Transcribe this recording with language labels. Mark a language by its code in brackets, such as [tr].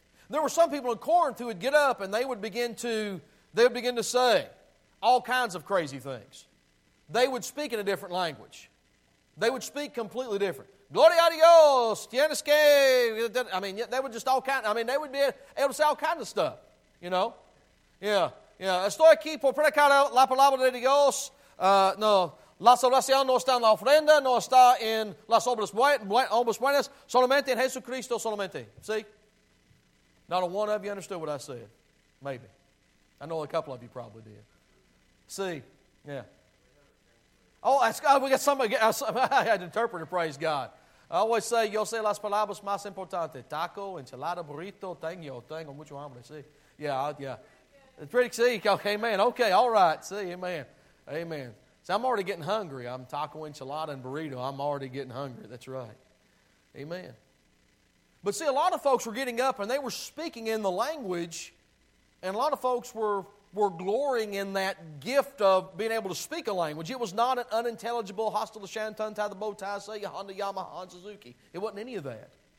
[en] There were some people in Corinth who would get up and they would begin to say all kinds of crazy things. They would speak in a different language. They would speak completely different. [es] Gloria a Dios, tienes que... [en] I mean, they would just all kind... I mean, they would be able to say all kinds of stuff, you know? Yeah, yeah. [es] Estoy aquí por predicar la palabra de Dios. No, la salvación no está en la ofrenda, no está en las obras buenas, solamente en Jesucristo, solamente. [en] See? Not a one of you understood what I said. Maybe. I know a couple of you probably did. See? Yeah. Oh, we got somebody, I had an interpreter, praise God. I always say, [es] yo sé las palabras más importantes. Taco, enchilada, burrito, tengo mucho hambre, see. Yeah, yeah. [en] It's pretty, see, okay, man, okay, all right, see, amen, amen. See, I'm already getting hungry. I'm taco, enchilada, and burrito. I'm already getting hungry, that's right. Amen. But see, a lot of folks were getting up and they were speaking in the language, and a lot of folks were glorying in that gift of being able to speak a language. It was not an unintelligible hostile shantan tie the bow tie say Honda Yamaha Suzuki. It wasn't any of that.